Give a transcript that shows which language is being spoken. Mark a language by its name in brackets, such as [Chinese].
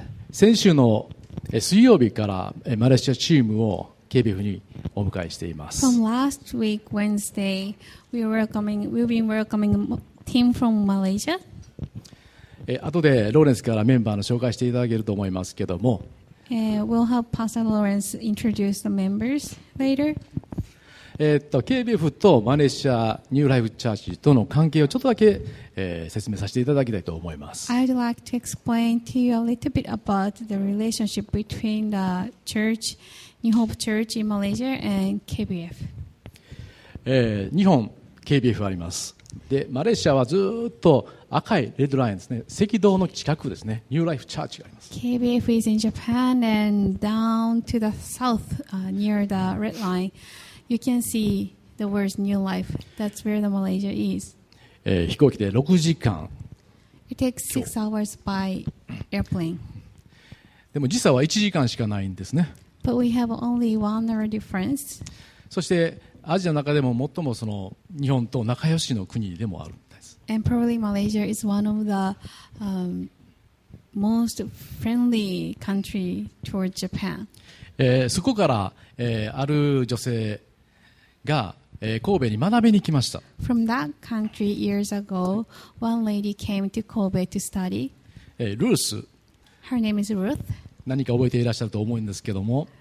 [Japanese] 先週の水曜日からマレーシアチームをKBFにお迎えしています。 [English] From last week Wednesday, we've been welcoming team from Malaysia。 [Japanese] 後でローレンスからメンバーの紹介していただけると思いますけども。 [English] We'll have Pastor Lawrence introduce the members later。 [Japanese] KBF とマレーシアニューライフチャーチとの関係をちょっとだけ、説明させていただきたいと思います。 [English] I'd like to explain to you a little bit about the relationship between the church, New Hope Church in Malaysia and KBF.、 [Japanese] 日本 KBF あります。で、マレーシアはずっと赤いレッドラインですね。赤道の近くですね。ニューライフチャーチがあります。 [English] KBF is in Japan and down to the south, near the red line. You can see the words New Life. That's where the Malaysia is. [Japanese] 飛行機で6時間。 [English] It takes 6 hours by airplane. [Japanese] でも時差は1時間しかないんですね。 [English] But we have only 1 hour difference. [Japanese] そしてアジアの中でも最もその日本と仲良しの国でもあるんです。 [English] And probably Malaysia is one of the、most friendly country toward Japan. [Japanese] そこから、ある女性が、神戸に学びに来ました。 [English] From that country years ago, one lady came to Kobe to study. [Japanese] ルース。 [English] Her name is Ruth. [Japanese] 何か覚えていらっしゃると思うんですけども。